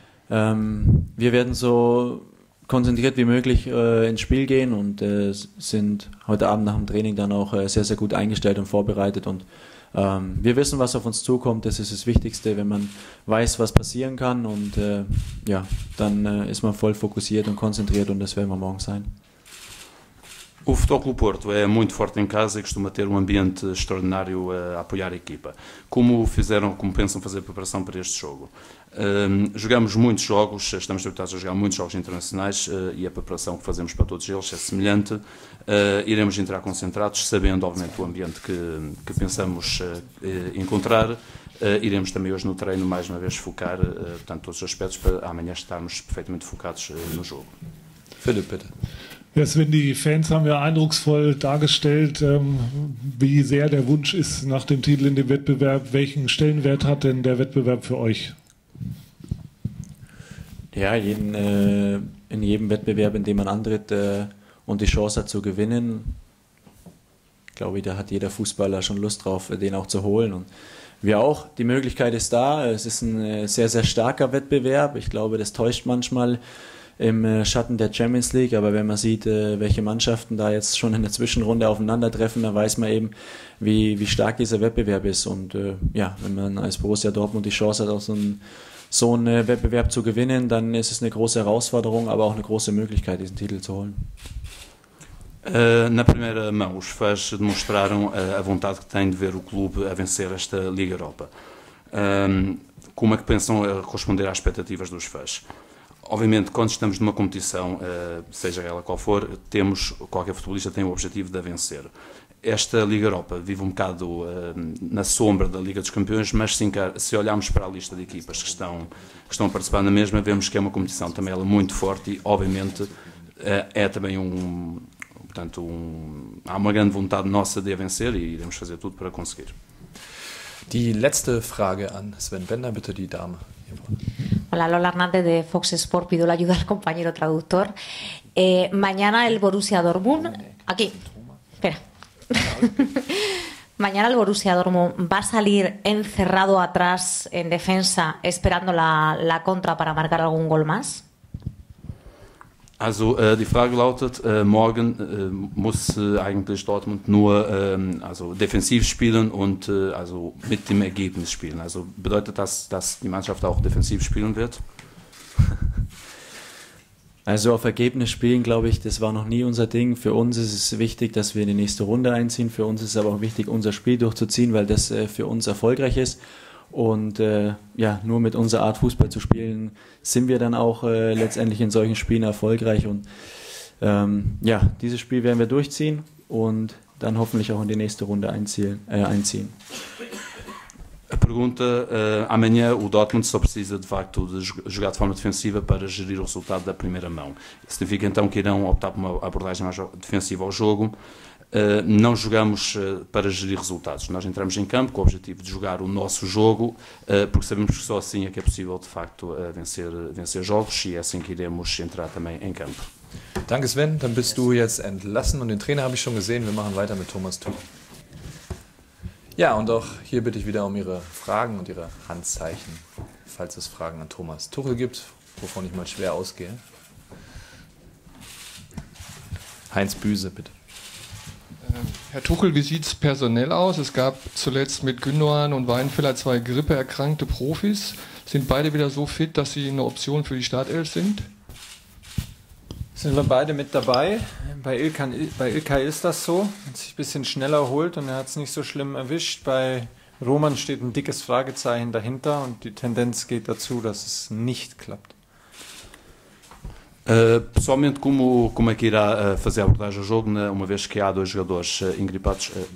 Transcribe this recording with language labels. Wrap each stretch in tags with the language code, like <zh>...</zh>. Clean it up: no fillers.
<de>Wir werden so konzentriert wie möglich ins Spiel gehen und sind heute Abend nach dem Training dann auch sehr, sehr gut eingestellt und vorbereitet. Und wir wissen, was auf uns zukommt. Das ist das Wichtigste, wenn man weiß, was passieren kann. Und dann ist man voll fokussiert und konzentriert und das werden wir morgen sein.</de> <pt>O Futebol Clube Porto é muito forte em casa e costuma ter um ambiente extraordinário a apoiar a equipa. Como pensam fazer a preparação para este jogo? Jogamos muitos jogos, estamos habituados a jogar muitos jogos internacionais e a preparação que fazemos para todos eles é semelhante. Iremos entrar concentrados, sabendo obviamente o ambiente que pensamos encontrar. Iremos também hoje no treino mais uma vez focar portanto, todos os aspectos para amanhã estarmos perfeitamente focados no jogo.</pt> <de>Felipe, bitte. Ja, Sven, die Fans haben ja eindrucksvoll dargestellt, wie sehr der Wunsch ist nach dem Titel in dem Wettbewerb. Welchen Stellenwert hat denn der Wettbewerb für euch? Ja, in jedem Wettbewerb, in dem man antritt und die Chance hat zu gewinnen, glaube ich, da hat jeder Fußballer schon Lust drauf, den auch zu holen. Und wir auch, die Möglichkeit ist da. Es ist ein sehr, sehr starker Wettbewerb. Ich glaube, das täuscht manchmal im Schatten der Champions League, aber wenn man sieht, welche Mannschaften da jetzt schon in der Zwischenrunde aufeinandertreffen, dann weiß man eben, wie stark dieser Wettbewerb ist. Und wenn man als Borussia Dortmund die Chance hat, auch so einen Wettbewerb zu gewinnen, dann ist es eine große Herausforderung, aber auch eine große Möglichkeit, diesen Titel zu holen.</de> <pt>Na primeira mão, os fãs demonstraram a vontade que têm de ver o clube a vencer esta Liga Europa. Como é que pensam responder às expectativas dos fãs? Obviamente, quando estamos numa competição, seja ela qual for, temos, qualquer futebolista tem o objetivo de a vencer. Esta Liga Europa vive um bocado na sombra da Liga dos Campeões, mas sim, se olharmos para a lista de equipas que estão a participar na mesma, vemos que é uma competição também ela muito forte e, obviamente, é também há uma grande vontade nossa de a vencer e iremos fazer tudo para conseguir.</pt> <de>Die letzte Frage an Sven Bender, bitte die Dame.</de> <es>Hola, Lola Hernández de Fox Sport. Pido la ayuda al compañero traductor. Mañana el Borussia Dortmund... Aquí. Espera. Mañana el Borussia Dortmund va a salir encerrado atrás en defensa esperando la contra para marcar algún gol más.</es> <de>Also, die Frage lautet, morgen muss eigentlich Dortmund nur defensiv spielen und mit dem Ergebnis spielen. Also bedeutet das, dass die Mannschaft auch defensiv spielen wird? Also auf Ergebnis spielen, glaube ich, das war noch nie unser Ding. Für uns ist es wichtig, dass wir in die nächste Runde einziehen. Für uns ist es aber auch wichtig, unser Spiel durchzuziehen, weil das für uns erfolgreich ist. Und nur mit unserer Art Fußball zu spielen, sind wir dann auch letztendlich in solchen Spielen erfolgreich. Und dieses Spiel werden wir durchziehen und dann hoffentlich auch in die nächste Runde einziehen.</de> <pt>A pergunta, amanhã o Dortmund só precisa de facto de jogar de forma defensiva para gerir o resultado da primeira mão. Significa então que irão optar por uma abordagem mais defensiva ao jogo. Não jogamos para gerir resultados, nós entramos em campo com o objetivo de jogar o nosso jogo, porque sabemos que só assim é que é possível de facto vencer jogos e é assim que iremos entrar também em campo.</pt> <de>Danke Sven, dann bist du jetzt entlassen und den Trainer habe ich schon gesehen, wir machen weiter mit Thomas Tuchel. Ja, und auch hier bitte ich wieder um Ihre Fragen und Ihre Handzeichen, falls es Fragen an Thomas Tuchel gibt, wovon ich mal schwer ausgehe. Heinz Büse, bitte. Herr Tuchel, wie sieht es personell aus? Es gab zuletzt mit Gündogan und Weinfeller zwei grippeerkrankte Profis. Sind beide wieder so fit, dass sie eine Option für die Startelf sind? Sind wir beide mit dabei. Bei Ilkay ist das so. Hat sich ein bisschen schnell erholt und er hat es nicht so schlimm erwischt. Bei Roman steht ein dickes Fragezeichen dahinter und die Tendenz geht dazu, dass es nicht klappt.</de> <pt>Pessoalmente, como é que irá fazer a abordagem ao jogo, né? Uma vez que há dois jogadores engripados?</pt>